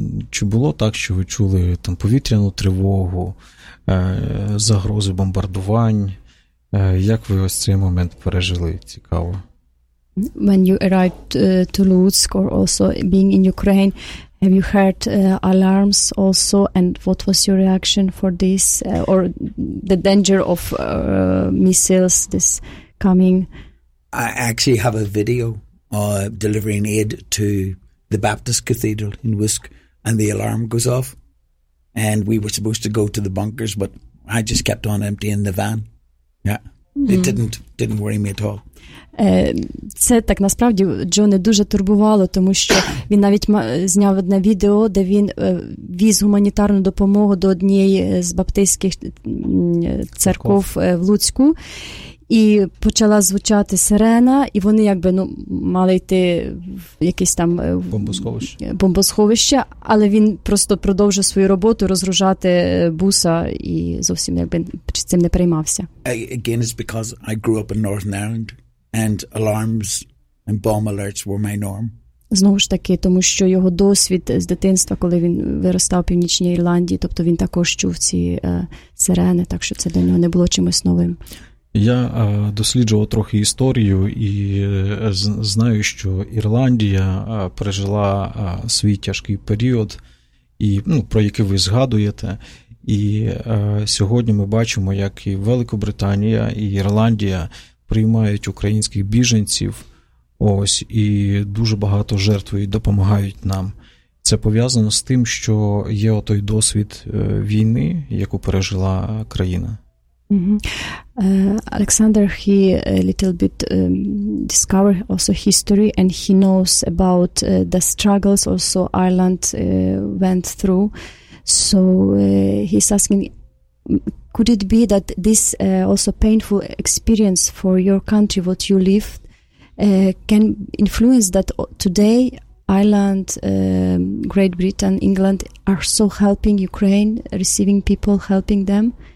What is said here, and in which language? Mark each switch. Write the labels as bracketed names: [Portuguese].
[Ukrainian] Чи було так, що ви чули там повітряну тривогу, загрози бомбардувань? Як ви ось цей момент пережили? Цікаво. [English] When you arrived to Lutsk or also being in Ukraine, have you heard alarms also, and what was your reaction for this or the danger of missiles this coming? I actually have a video delivering aid to the Baptist Cathedral in Usk, and the alarm goes off, and we were supposed to go to the bunkers, but I just kept on emptying the van. Yeah. It didn't worry me at all. [Ukrainian] Це так насправді Джо не дуже турбувало, тому що він навіть зняв одне відео, де він віз гуманітарну допомогу до однієї з баптистських церков в Луцьку. і почала звучати сирена, і вони якби ну мали йти в якесь там бомбосховище, але він просто продовжив свою роботу розгружати буса і зовсім якби цим не переймався. [English] Again, it's because I grew up in Northern Ireland and alarms and bomb alerts were my norm. [Ukrainian] Знову ж таки, тому що його досвід з дитинства, коли він виростав в Північній Ірландії, тобто він також чув ці сирени, так що це для нього не було чимось новим. Я досліджував трохи історію і знаю, що Ірландія пережила свій тяжкий період, і, ну, про який ви згадуєте. І сьогодні ми бачимо, як і Великобританія, і Ірландія приймають українських біженців. Ось, і дуже багато жертвують, допомагають нам. Це пов'язано з тим, що є отой досвід війни, яку пережила країна. [English] Alexander, he a little bit discovered also history, and he knows about the struggles also Ireland went through. So he's asking, could it be that this also painful experience for your country, what you live, can influence that today Ireland, Great Britain, England are so helping Ukraine, receiving people, helping them?